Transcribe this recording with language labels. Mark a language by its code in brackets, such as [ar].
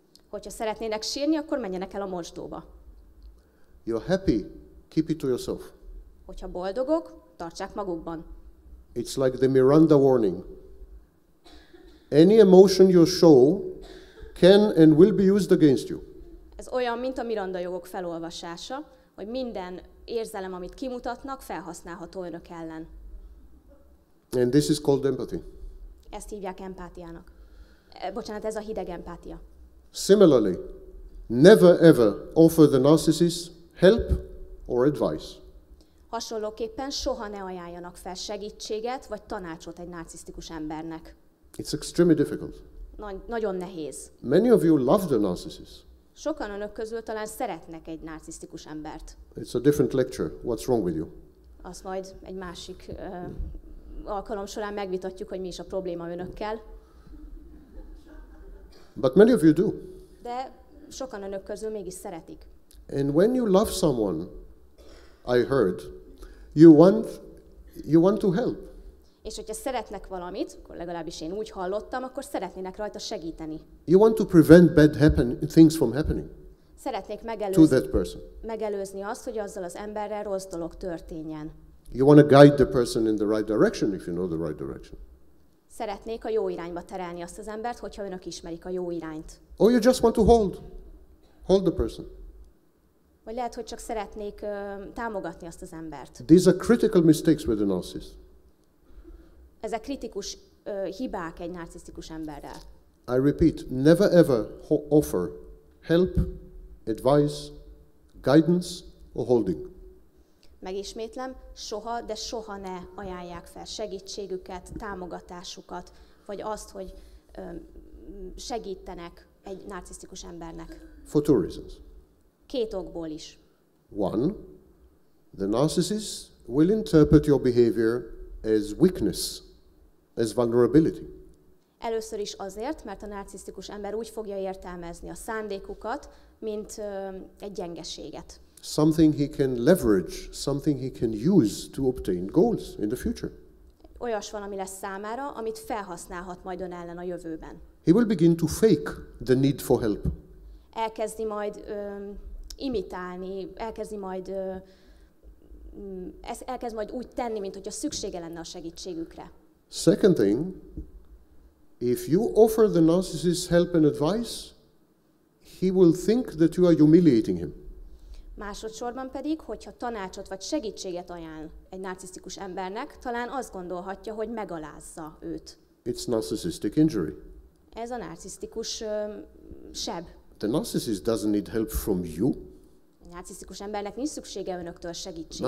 [hu] Hogyha szeretnének sírni, akkor menjenek el a mosdóba. [en] You're happy? Keep it to yourself. [hu] Hogyha boldogok, tartsák magukban. [en] It's like the Miranda warning. Any emotion you show can and will be used against you. [hu] Ez olyan, mint a Miranda jogok felolvasása, hogy minden érzelem, amit kimutatnak, felhasználható önök ellen. [en] And this is called empathy. [hu] Ezt hívják empátiának. Bocsánat, ez a hideg empátia. [en] Similarly, never ever offer the narcissist help or advice. [hu] Hasonlóképpen soha ne ajánljanak fel segítséget vagy tanácsot egy narcisztikus embernek. [en] It's extremely difficult. [hu] Nagyon nehéz. [en] Many of you love the narcissist. [hu] Sokan önök közül talán szeretnek egy narcisztikus embert. [en] It's a different lecture. What's wrong with you? [hu] Azt majd egy másik alkalom során megvitatjuk, hogy mi is a probléma önökkel. [en] But many of you do. [hu] De sokan önök közül mégis szeretik. [en] And when you love someone, I heard, you want to help. [hu] És hogyha szeretnek valamit, akkor legalábbis én úgy hallottam, akkor szeretnének rajta segíteni. [en] You want to prevent bad things from happening. [hu] Szeretnék megelőzni azt, hogy azzal az emberrel rossz dolog történjen. [en] You want to guide the person in the right direction if you know the right direction. [hu] Szeretnék a jó irányba terelni azt az embert, hogyha önök ismerik a jó irányt. [en] Or you just want to hold the person. [hu] vagy lehet, hogy csak szeretnék támogatni azt az embert. [en] These are critical mistakes with a narcissist. [hu] Ez a kritikus hibák egy narcisztikus emberrel. [en] I repeat, never ever offer help, advice, guidance or holding. [hu] Megismétlem, soha, de soha ne ajánlják fel segítségüket, támogatásukat, vagy azt, hogy segítenek egy narcisztikus embernek. [en] For two reasons. [hu] Két okból is. [en] One, the narcissist will interpret your behavior as weakness, as vulnerability. [hu] Először is azért, mert a narcisztikus ember úgy fogja értelmezni a szándékukat, mint egy gyengeséget. [en] Something he can leverage, something he can use to obtain goals in the future. [hu] Olyas van, ami lesz számára, amit felhasználhat majd ön ellen a jövőben. [en] He will begin to fake the need for help. [hu] Elkezdi majd imitálni, elkezd majd úgy tenni, mint hogyha szüksége lenne a segítségükre. [en] Second thing, if you offer the narcissist help and advice, he will think that you are humiliating him. [hu] Másodszorban pedig, hogyha tanácsot vagy segítséget ajánl egy narcisztikus embernek, talán azt gondolhatja, hogy megalázza őt. [en] It's narcissistic injury. [hu] Ez a narcisztikus seb. [en] The narcissist doesn't need help from you. [hu] A narcisztikus embernek nincs szüksége önöktől segítségre.